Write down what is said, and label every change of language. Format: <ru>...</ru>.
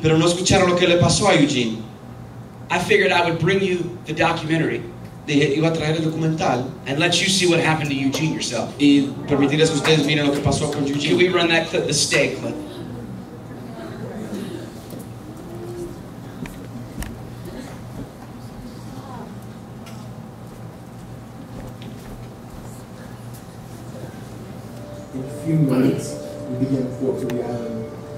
<es>Pero no escucharon lo que le pasó a Eugene.</es> <en>I figured I would bring you the documentary.</en> <es>Iba a traer el documental</es> <en>and let you see what happened to Eugene yourself.</en> <es>Y permitirles que ustedes miren lo que pasó con Eugene.</es> <en>Can we run that clip, the stay clip? In a few minutes, we began to walk to the island.</en>